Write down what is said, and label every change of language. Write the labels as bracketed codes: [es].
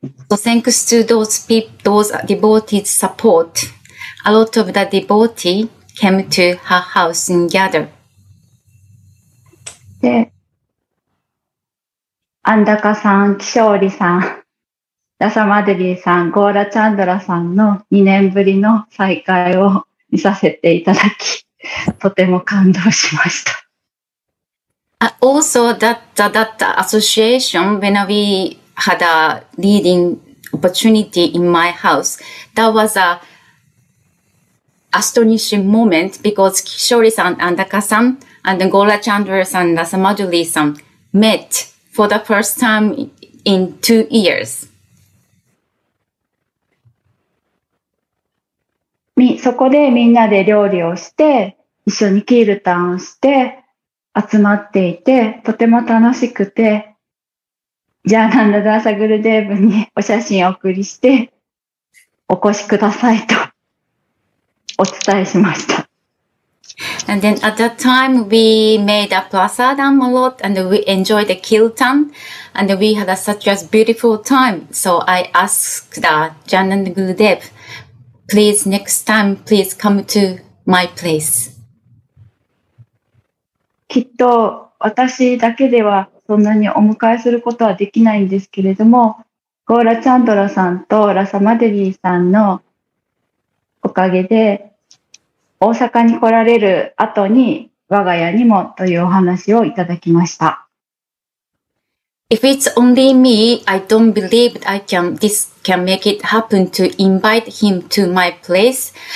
[en] So thanks to those people, those devotees' support, a lot of the devotee came to her house and gather. [ja] で、アンダカさん、キショーリさん、ダサマデリーさん、ゴーラチャンドラさんの2年ぶりの再会を見させていただき、とても感動しました。 [en] Also, that association, when we had a leading opportunity in my house, that was a astonishing moment because キショーリさん、アンダカさん、and ゴーラチャンドラさん、ダサマデリーさん met. For the first time in 2 years. [ja] そこでみんなで料理をして、一緒にキールタンをして、集まっていて、とても楽しくて、ジャーナンダ・ダーサ・グルデーブにお写真を送りして、お越しくださいとお伝えしました。 [en] And then at that time, we made a prasadam a lot, and we enjoyed the kirtan, and we had such a beautiful time. So I asked Janand Gurudev, please next time, please come to my place. [ja] きっと私だけではそんなにお迎えすることはできないんですけれども、ゴーラチャンドラさんとラサマデリーさんのおかげで、大阪に来られる後に我が家にもというお話をいただきました。 [en] If it's only me, I don't believe this can make it happen to invite him to my place.